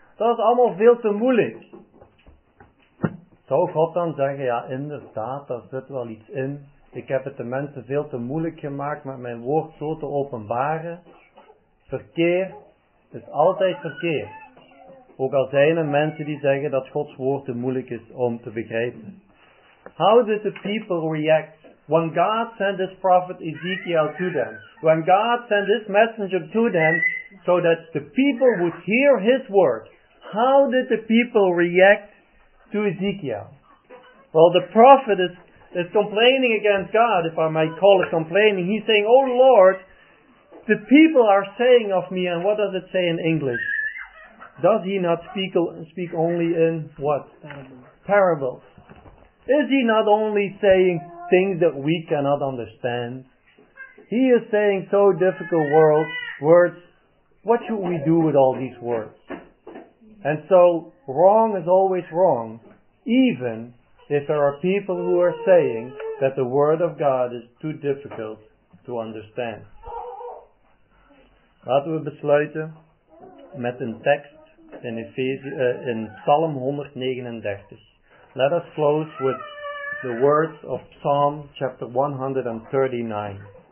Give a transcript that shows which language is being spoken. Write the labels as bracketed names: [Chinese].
[Dutch] Dat is allemaal veel te moeilijk. Zou God dan zeggen, ja inderdaad, daar zit wel iets in. Ik heb het de mensen veel te moeilijk gemaakt met mijn woord zo te openbaren. Verkeer is altijd verkeer. Ook al zijn er mensen die zeggen dat Gods woord te moeilijk is om te begrijpen. [English] How did the people react when God sent this prophet Ezekiel to them? When God sent this messenger to them so that the people would hear his word. How did the people react to Ezekiel? Well, the prophet is complaining against God, if I might call it complaining. He's saying, oh Lord, the people are saying of me, and what does it say in English? Does he not speak only in what? Parables. Is he not only saying things that we cannot understand? He is saying so difficult words. What should we do with all these words? And so, wrong is always wrong, even if there are people who are saying that the word of God is too difficult to understand. [Dutch] Laten we besluiten met een tekst. In Psalm 139. [English] Let us close with the words of Psalm chapter 139.